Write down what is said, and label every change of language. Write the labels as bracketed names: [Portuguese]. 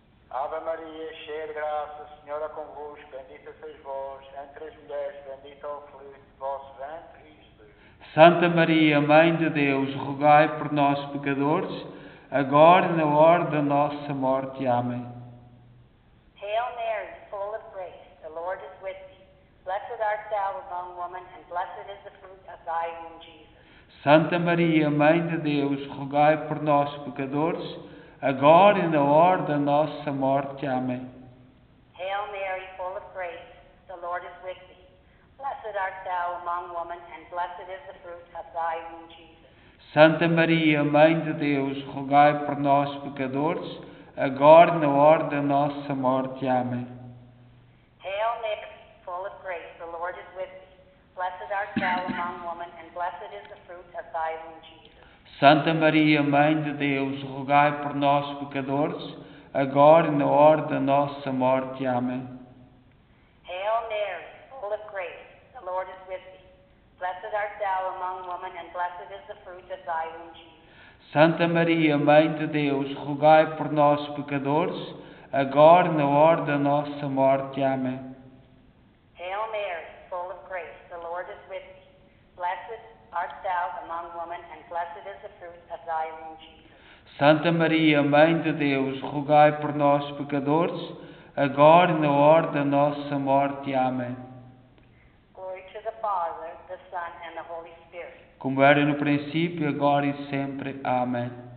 [Portuguese] Ave Maria, cheia de graça, o Senhor é convosco, bendita sois vós, entre as mulheres, bendito é o fruto do vosso ventre, Jesus. Santa Maria, Mãe de Deus, rogai por nós, pecadores, agora e na hora da nossa morte. Amém. [English] Hail Mary, full of grace, the Lord is with thee. Blessed art thou among women, and blessed is the fruit of thy womb, Jesus. [Portuguese] Santa Maria, Mãe de Deus, rogai por nós, pecadores, agora e na hora da nossa morte. Amém. [English] Hail Mary, full of grace, the Lord is with thee. Blessed art thou among women, and blessed is the fruit of thy womb, Jesus. [Portuguese] Santa Maria, Mãe de Deus, rogai por nós, pecadores, agora e na hora da nossa morte. Amém. [English] Hail Mary, full of grace, the Lord is with thee. Blessed art thou among women, and blessed is the fruit of thy womb, Jesus. [Portuguese] Santa Maria, Mãe de Deus, rogai por nós, pecadores, agora e na hora da nossa morte. Amém. [English] Hail Mary, full of grace, the Lord is with thee. Blessed art thou among women, and blessed is the fruit of thy womb, Jesus. [Portuguese] Santa Maria, Mãe de Deus, rogai por nós, pecadores, agora e na hora da nossa morte. Amém. [English] Hail Mary, full of grace, the Lord is with thee. Blessed art thou among women, and blessed is the fruit of thy womb, Jesus. [Portuguese] Santa Maria, Mãe de Deus, rogai por nós, pecadores, agora e na hora da nossa morte. Amém. [English] Glory to the Father, the Son, and the Holy Spirit. [Portuguese] Como era no princípio, agora e sempre. Amém.